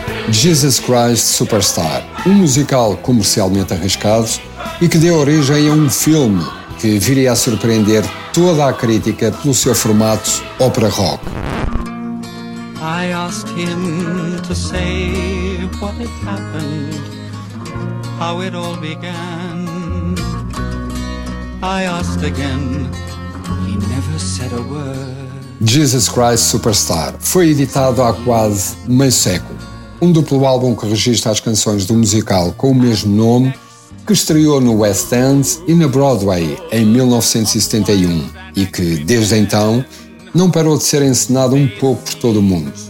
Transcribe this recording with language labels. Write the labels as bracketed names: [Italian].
[Portuguese] Jesus Christ Superstar, um musical comercialmente arriscado e que deu origem a um filme que viria a surpreender toda a crítica pelo seu formato ópera rock. [English] I asked him to say what had happened, how it all began. I asked again, he never said a word. [Portuguese] Jesus Christ Superstar foi editado há quase meio século. Um duplo álbum que registra as canções do musical com o mesmo nome, que estreou no West End e na Broadway em 1971 e que, desde então, não parou de ser encenado um pouco por todo o mundo.